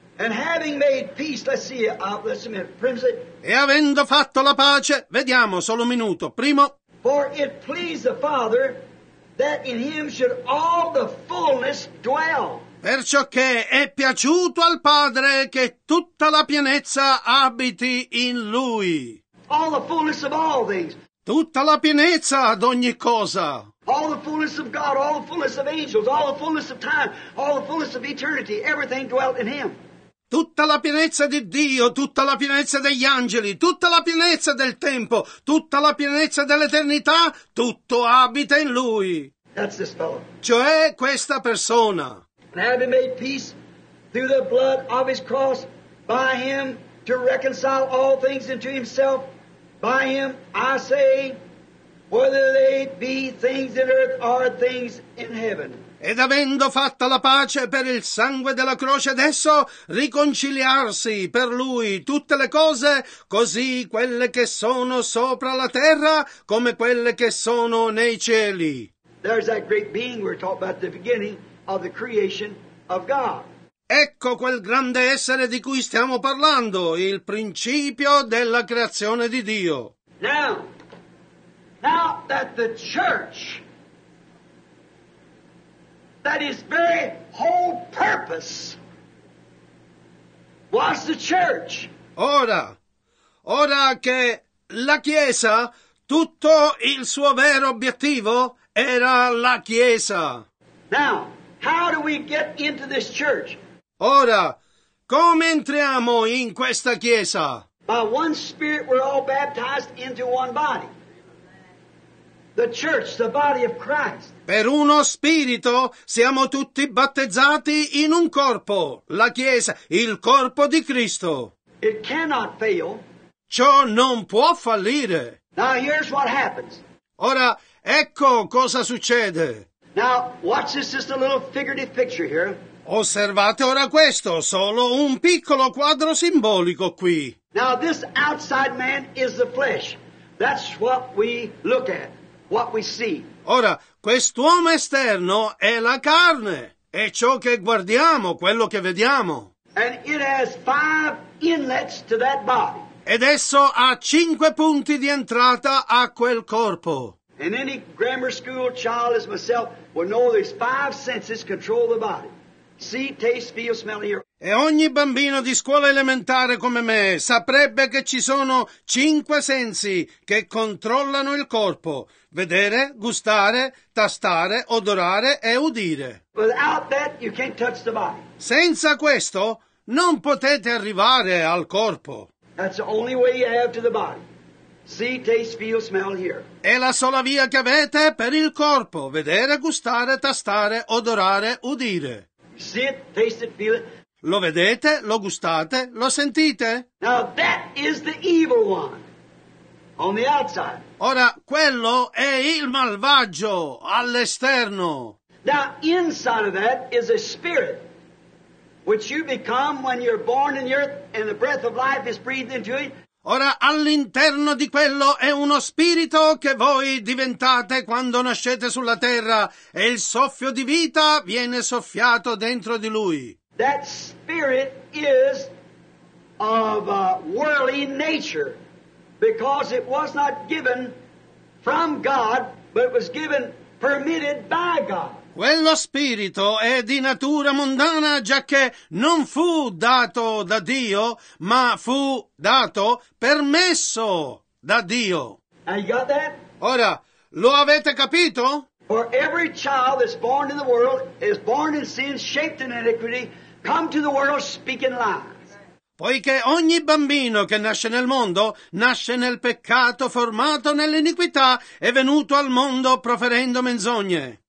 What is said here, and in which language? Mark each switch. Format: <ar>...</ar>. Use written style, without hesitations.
<en>And having made peace, let's see, listen a minute, Primacy.</en> <it>E avendo fatto la pace, vediamo, solo un minuto, primo.</it> <en>For it pleased the Father that in him should all the fullness dwell.</en> <it>Perciò che è piaciuto al Padre che tutta la pienezza abiti in lui.</it> <en>All the fullness of all things.</en> <it>Tutta la pienezza ad ogni cosa.</it> <en>All the fullness of God, all the fullness of angels, all the fullness of time, all the fullness of eternity, everything dwelt in him.</en> <it>Tutta la pienezza di Dio, tutta la pienezza degli angeli, tutta la pienezza del tempo, tutta la pienezza dell'eternità, tutto abita in lui.</it> <en>That's this fellow.</en> <it>Cioè questa persona.</it> <en>And having made peace through the blood of his cross, by him to reconcile all things into himself, by him I say, whether they be things in earth or things in heaven.</en> <it>Ed avendo fatta la pace per il sangue della croce, adesso riconciliarsi per lui tutte le cose, così quelle che sono sopra la terra come quelle che sono nei cieli.</it> <en>There's that great being we're talking about at the beginning of the creation of God.</en> <it>Ecco quel grande essere di cui stiamo parlando, il principio della creazione di Dio.</it> <en>Now that the church, that his very whole purpose was the church.</en> <it>Ora che la Chiesa, tutto il suo vero obiettivo era la Chiesa.</it> <en>Now, how do we get into this church?</en> <it>Ora, come entriamo in questa Chiesa?</it> <en>By one spirit we're all baptized into one body. The church, the body of Christ.</en> <it>Per uno spirito siamo tutti battezzati in un corpo, la Chiesa, il corpo di Cristo.</it> <en>It cannot fail.</en> <it>Ciò non può fallire.</it> <en>Now here's what happens.</en> <it>Ora, ecco cosa succede.</it> <en>Now, watch this, just a little figurative picture here.</en> <it>Osservate ora questo, solo un piccolo quadro simbolico qui.</it> <en>Now this outside man is the flesh. That's what we look at. What we see.</en> <it>Ora, quest'uomo esterno è la carne, è ciò che guardiamo, quello che vediamo.</it> <en>And it has five inlets to that body.</en> <it>Ed esso ha cinque punti di entrata a quel corpo.</it> <en>And any grammar school child as myself will know these five senses control the body. See, taste, feel, smell, hear.</en> <it>E ogni bambino di scuola elementare come me saprebbe che ci sono cinque sensi che controllano il corpo: vedere, gustare, tastare, odorare e udire.</it> <en>Without that, you can't touch the body.</en> <it>Senza questo non potete arrivare al corpo.</it> <en>That's the only way you have to the body. See, taste, feel, smell, hear.</en> <it>È la sola via che avete per il corpo: vedere, gustare, tastare, odorare, udire.</it> <en>See it, taste it, feel it.</en> <it>Lo vedete, lo gustate, lo sentite?</it> <en>Now that is the evil one on the outside.</en> <it>Ora quello è il malvagio all'esterno.</it> <en>Now inside of that is a spirit which you become when you're born in the earth and the breath of life is breathed into it.</en> <it>Ora all'interno di quello è uno spirito che voi diventate quando nascete sulla terra e il soffio di vita viene soffiato dentro di lui.</it> <en>That spirit is of a worldly nature because it was not given from God, but it was given, permitted by God.</en> <it>Quello spirito è di natura mondana, giacché non fu dato da Dio, ma fu dato, permesso da Dio.</it> <en>Now you got that?</en> <it>Ora, lo avete capito?</it> <en>For every child that's born in the world is born in sin, shaped in iniquity, come to the world speaking lies.</en> <it>Poiché ogni bambino che nasce nel mondo nasce nel peccato, formato nell'iniquità, è venuto al mondo proferendo menzogne.</it>